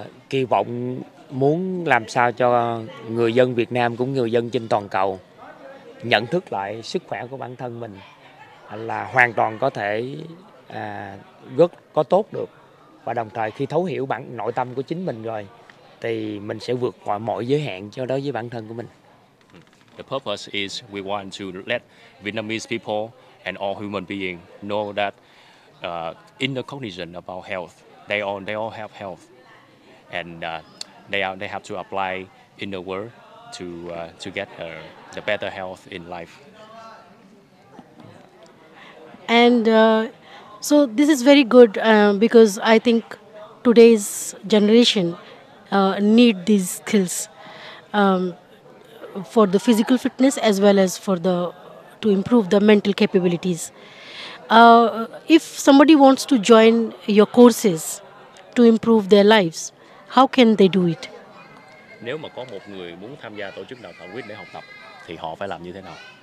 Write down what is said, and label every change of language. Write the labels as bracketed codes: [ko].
[vi] Kỳ vọng muốn làm sao cho người dân Việt Nam cũng người dân trên toàn cầu nhận thức lại sức khỏe của bản thân mình là hoàn toàn có thể rất có tốt được, và đồng thời khi thấu hiểu bản nội tâm của chính mình rồi thì mình sẽ vượt qua mọi giới hạn cho đối với bản thân của mình. [en] The purpose is we want to let Vietnamese people and all human beings know that inner cognition about health, they all have health, and they have to apply inner world to get the better health in life. And so this is very good because I think today's generation need these skills for the physical fitness as well as for the to improve the mental capabilities. If somebody wants to join your courses to improve their lives, how can they do it? [vi] Nếu mà có một người muốn tham gia tổ chức đào tạo quýt để học tập thì họ phải làm như thế nào?